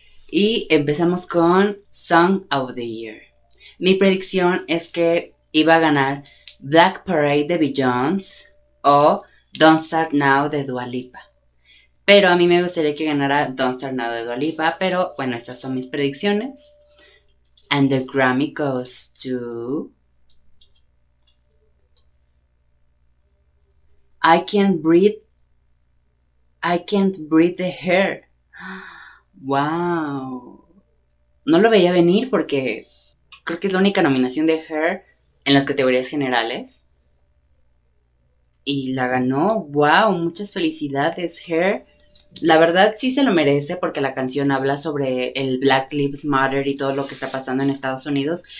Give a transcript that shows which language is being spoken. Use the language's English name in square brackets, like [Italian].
[Spanish] Y empezamos con Song of the Year. Mi predicción es que iba a ganar Black Parade de Beyoncé o Don't Start Now de Dua Lipa. Pero a mí me gustaría que ganara Don't Start Now de Dua Lipa, pero bueno, estas son mis predicciones. [English] And the Grammy goes to I can't breathe the hair. Wow. [Spanish] No lo veía venir porque creo que es la única nominación de Hair en las categorías generales. Y la ganó. Wow, muchas felicidades, Hair. La verdad sí se lo merece porque la canción habla sobre el Black Lives Matter y todo lo que está pasando en Estados Unidos.